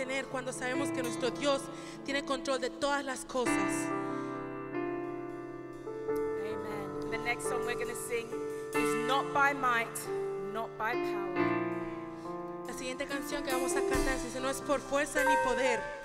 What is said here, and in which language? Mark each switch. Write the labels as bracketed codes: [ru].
[es] Cuando sabemos que nuestro Dios tiene control de todas las cosas. Amen. [en] The next song we're going to sing is Not by Might, Not by Power. [es] La siguiente canción que vamos a cantar dice no es por fuerza ni poder,